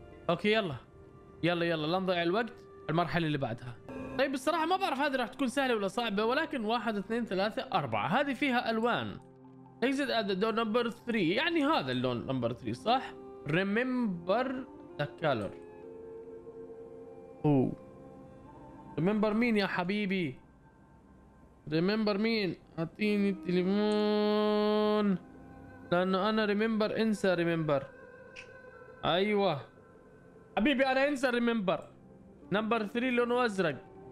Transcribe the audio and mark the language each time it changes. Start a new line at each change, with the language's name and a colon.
Arabic: اوكي يلا يلا يلا لا نضيع الوقت، المرحلة اللي بعدها. طيب الصراحة ما بعرف هذه راح تكون سهلة ولا صعبة، ولكن واحد اثنين ثلاثة اربعة، هذه فيها الوان.
English: Exit at the door number 3، يعني هذا اللون نمبر 3 صح؟ Remember the color.
Arabic: ريمبر مين يا حبيبي؟ ريمبر مين؟ اعطيني التليفون لانه انا ريمبر انسى ريمبر. ايوه حبيبي انا انسى ريمبر. نمبر 3 لونه ازرق.